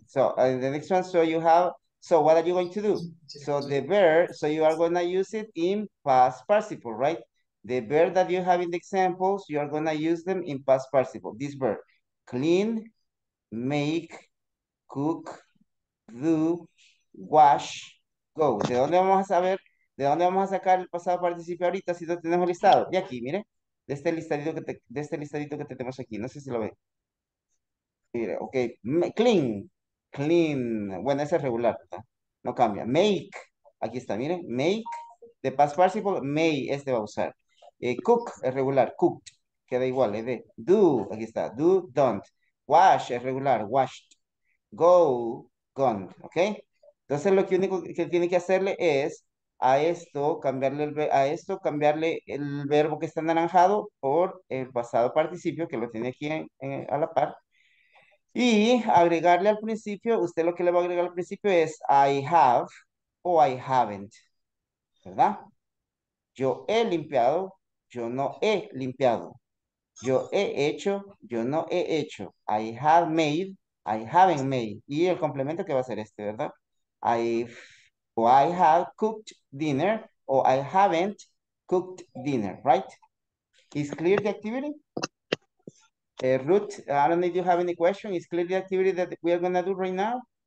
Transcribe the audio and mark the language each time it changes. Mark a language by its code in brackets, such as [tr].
[en] So the next one, so what are you going to do? So the verb, so you are going to use it in past participle, right? The verb that you have in the examples, you are going to use them in past participle. This verb, clean, make, cook, do, wash, go. [es] ¿De dónde vamos a saber? ¿De dónde vamos a sacar el pasado participio ahorita si no tenemos listado? De aquí, mire. De este listadito que tenemos aquí. No sé si lo ve. Mire, ok. Clean. Bueno, ese es regular, ¿verdad? No cambia. Make. Aquí está, mire. Make. [en] The past participle, may. [es] Este va a usar. Cook es regular, cooked, queda igual, es de do, aquí está, do, don't. Wash es regular, washed. Go, gone, ¿ok? Entonces lo que único que tiene que hacerle es a esto cambiarle el verbo que está anaranjado por el pasado participio, que lo tiene aquí a la par. Y agregarle al principio, usted lo que le va a agregar al principio es [en] I have [es] o [en] I haven't, [es] ¿verdad? Yo he limpiado. Yo no he limpiado. Yo he hecho. Yo no he hecho. [en] I have made. I haven't made. [es] Y el complemento que va a ser este, ¿verdad? [en] I have cooked dinner. O I haven't cooked dinner, right? Is clear the activity? Ruth, I don't know if you have any question. It's clear the activity that we are going to do right now.